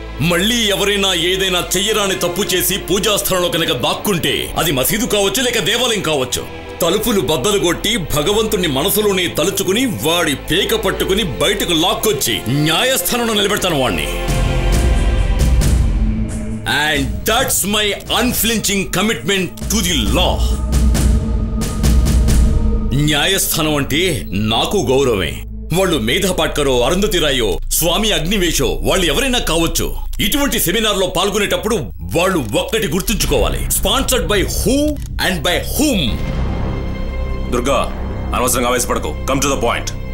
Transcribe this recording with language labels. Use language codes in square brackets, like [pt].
[te] మళ్ళీ ఎవరైనా ఏదైనా చెయ్యరాని తప్పు చేసి పూజాస్థలంలో కనుక దాక్కుంటే అది మసీదు కావచ్చు లేక దేవాలయం కావచ్చు, తలుపులు బద్దలు కొట్టి భగవంతుణ్ణి మనసులోనే తలుచుకుని వాడి పేక పట్టుకుని బయటకు లాక్కొచ్చి న్యాయస్థానంలో నిలబెడతాను వాణ్ణి. [en] And that's my unflinching commitment to the law. [te] న్యాయస్థానం అంటే నాకు గౌరవమే. వాళ్ళు మేధపాట్కరో, అరుంధతి రాయో, స్వామి అగ్నివేషో వాళ్ళు ఎవరైనా కావచ్చు, ఇటువంటి సెమినార్ లో పాల్గొనేటప్పుడు వాళ్ళు ఒక్కటి గుర్తుంచుకోవాలి, [en] Sponsored by who and by whom. [te] Durga, అనవసరంగా ఆవేశపడకు, [en] Come to the point.